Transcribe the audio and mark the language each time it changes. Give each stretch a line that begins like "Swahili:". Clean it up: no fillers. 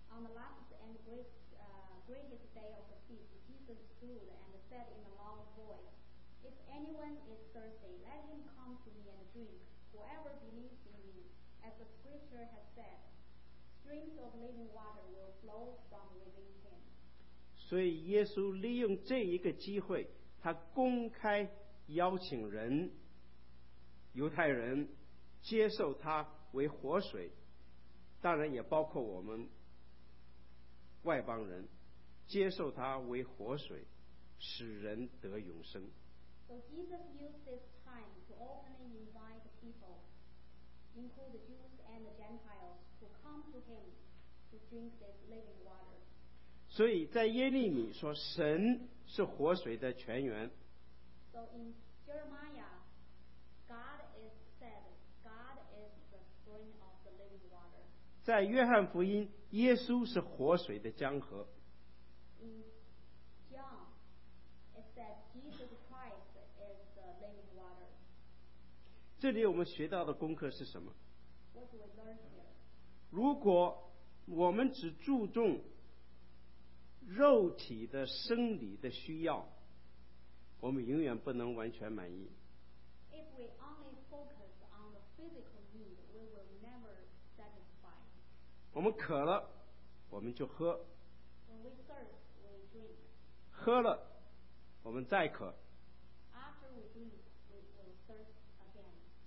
English: On the last and greatest day of the feast, Jesus stood and said in a loud voice, if anyone is thirsty, let him come to me and drink. Whoever believes in me, as the scripture has said, streams of living water will flow from within him.
Chinese: 所以耶稣利用这一个机会，他公开邀请人，犹太人接受他为活水，当然也包括我们外邦人接受他为活水，使人得永生。
English: So Jesus used this time to openly invite people, including Jews and Gentiles, to come to him to drink this living water.
Chinese: 所以在耶利米说神是活水的泉源。
English: So in Jeremiah, God is said, God is the spring of the living water.
Chinese: 在约翰福音，耶稣是活水的江河。
English: In John, it said Jesus Christ is the living water.
Chinese: 这里我们学到的功课是什么？
English: What do we learn here?
Chinese: 如果我们只注重肉体的生理的需要，我们永远不能完全满意。
English: If we only focus on the physical need, we will never satisfy.
Chinese: 我们渴了，我们就喝。
English: When we thirst, we drink.
Chinese: 喝了，我们再渴。
English: After we drink, we will thirst again.